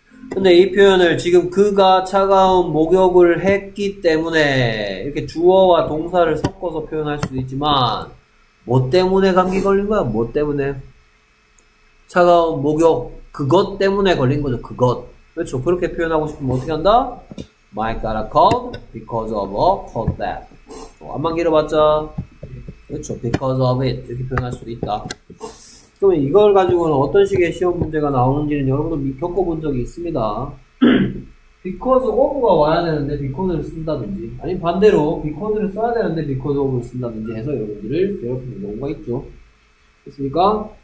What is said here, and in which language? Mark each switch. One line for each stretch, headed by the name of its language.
Korean: 근데 이 표현을 지금 그가 차가운 목욕을 했기 때문에 이렇게 주어와 동사를 섞어서 표현할 수도 있지만 뭐 때문에 감기 걸린 거야? 뭐 때문에? 차가운 목욕 그것 때문에 걸린 거죠. 그것. 그렇죠. 그렇게 표현하고 싶으면 어떻게 한다?
English: My got a cold because of a cold bath.
Korean: 암만 길어봤자 그렇죠.
English: Because of it.
Korean: 이렇게 표현할 수도 있다. 그러면 이걸 가지고는 어떤 식의 시험 문제가 나오는지는 여러분도 겪어본 적이 있습니다. Because of가 와야 되는데 because를 쓴다든지 아니 반대로 because를 써야 되는데 because of를 쓴다든지 해서 여러분들을 괴롭히는 경우가 있죠. 됐습니까?